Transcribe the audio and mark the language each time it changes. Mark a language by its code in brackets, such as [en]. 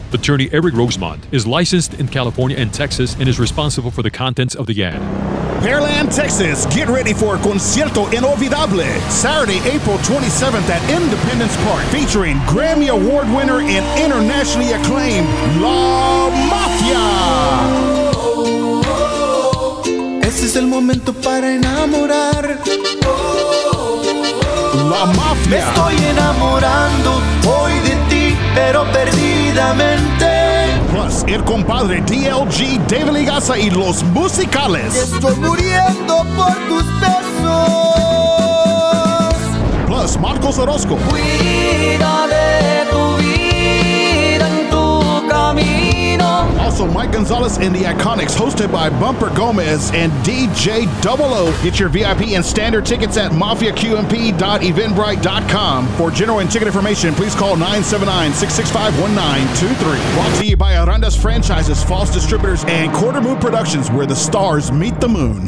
[en] Attorney Eric Rosemont is licensed in California and Texas and is responsible for the contents of the ad. Pearland, Texas, get ready for Concierto Inolvidable, Saturday, April 27th at Independence Park, featuring Grammy Award winner and internationally acclaimed La Mafia. [es] Este es el momento para enamorar. La Mafia. Me estoy enamorando hoy de ti, pero perdidamente. Plus, el compadre DLG, David Legaza y los musicales. Estoy muriendo por tus besos. [en] Plus, Marcos Orozco. [es] Cuida de tu vida en tu camino. [en] Also, Mike Gonzalez and the Iconics, hosted by Bumper Gomez and DJ Double O. Get your VIP and standard tickets at mafiaqmp.eventbrite.com. For general and ticket information, please call 979-665-1923. Brought to you by Aranda's Franchises, Foss Distributors, and Quarter Moon Productions, where the stars meet the moon.